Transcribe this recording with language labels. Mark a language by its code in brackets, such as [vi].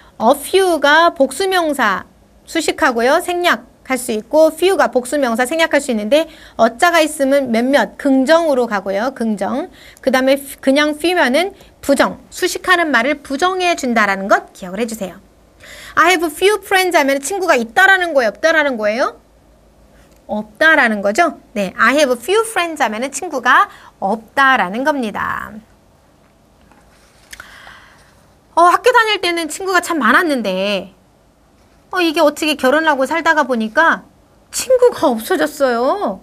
[ko] A few가 복수명사 수식하고요. 생략할 수 있고 few가 복수명사 생략할 수 있는데 어자가 있으면 몇몇 긍정으로 가고요. 긍정. 그 다음에 그냥 few면은 부정. 수식하는 말을 부정해 준다라는 것 기억을 해주세요. [en] I have a few friends [ko] 하면 친구가 있다라는 거예요? 없다라는 거예요? 없다라는 거죠? 네, [en] I have a few friends [ko] 하면 친구가 없다라는 겁니다. 학교 다닐 때는 친구가 참 많았는데 이게 어떻게 결혼하고 살다가 보니까 친구가 없어졌어요.